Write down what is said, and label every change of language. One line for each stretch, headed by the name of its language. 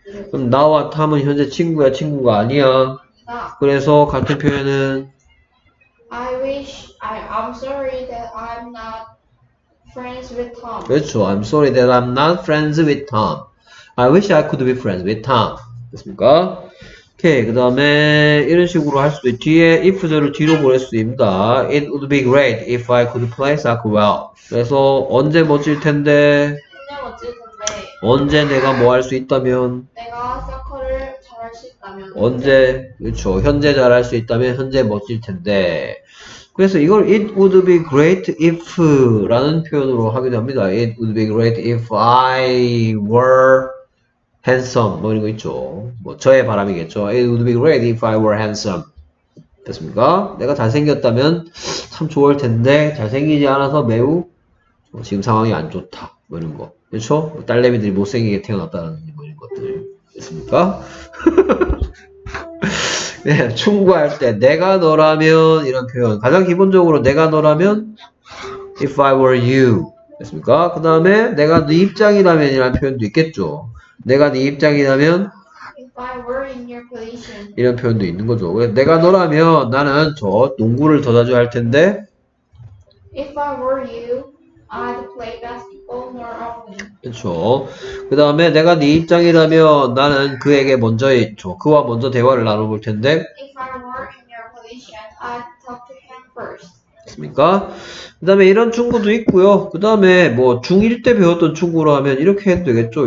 Korean: 그럼 나와 Tom은 현재 친구야, 친구가 아니야? 그래서 같은 표현은
English: I'm sorry that I'm not friends with Tom.
Korean: 그렇죠.
English: I'm sorry that I'm not friends with Tom. I wish I could be friends with Tom.
Korean: 됐습니까? 오케이. 그 다음에 이런 식으로 할 수도 있, 뒤에 if대로 뒤로 보낼 수도 있습니다.
English: It would be great if I could play soccer well.
Korean: 그래서 언제 멋질 텐데? 언제 멋질 텐데? 언제 내가 뭐 할 수 있다면? 내가 soccer를 잘 할 수 있다면? 언제? 그렇죠. 현재 잘 할 수 있다면 현재 멋질 텐데. 그래서 이걸
English: it would be great if
Korean: 라는 표현으로 하기도 합니다.
English: It would be great if I were handsome.
Korean: 뭐 이런 거 있죠. 뭐 저의 바람이겠죠.
English: It would be great if I were handsome.
Korean: 됐습니까? 내가 잘생겼다면 참 좋을 텐데 잘생기지 않아서 매우 지금 상황이 안 좋다. 뭐 이런 거. 그렇죠? 뭐 딸내미들이 못생기게 태어났다는 뭐 이런 것들. 됐습니까? 네, 충고할 때 내가 너라면 이런 표현 가장 기본적으로 내가 너라면
English: if I were you
Korean: 됐습니까? 그 다음에 내가 네 입장이라면 이란 표현도 있겠죠. 내가 네 입장이라면
English: if I were in your position
Korean: 이런 표현도 있는 거죠. 내가 너라면 나는 저 농구를 더 자주 할 텐데
English: if I were you I'd play basketball more often.
Korean: 그렇죠. 그 다음에 내가 네 입장이라면 나는 그에게 먼저 있죠. 그와 먼저 대화를 나눠볼 텐데
English: If I were in your position, I'd talk to him first.
Korean: 됐습니까? 그 다음에 이런 충고도 있고요. 그 다음에 뭐 중1 때 배웠던 충고로 하면 이렇게 해도 되겠죠.